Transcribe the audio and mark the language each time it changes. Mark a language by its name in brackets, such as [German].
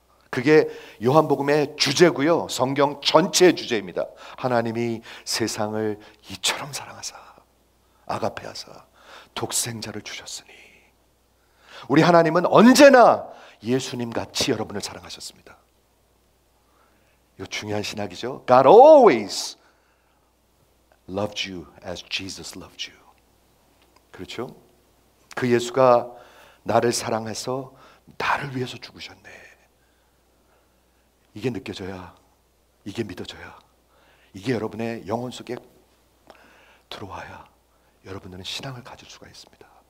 [Korean] 그게 요한복음의 주제고요, 성경 전체의 주제입니다. 하나님이 세상을 이처럼 사랑하사 아가페하사 독생자를 주셨으니, 우리 하나님은 언제나 예수님같이 여러분을 사랑하셨습니다. 이거 중요한 신학이죠. [English] God always loved you as Jesus loved you. [Korean] 그렇죠? 그 예수가 나를 사랑해서 나를 위해서 죽으셨네. 이게 느껴져야, 이게 믿어져야, 이게 여러분의 영혼 속에 들어와야 여러분들은 신앙을 가질 수가 있습니다.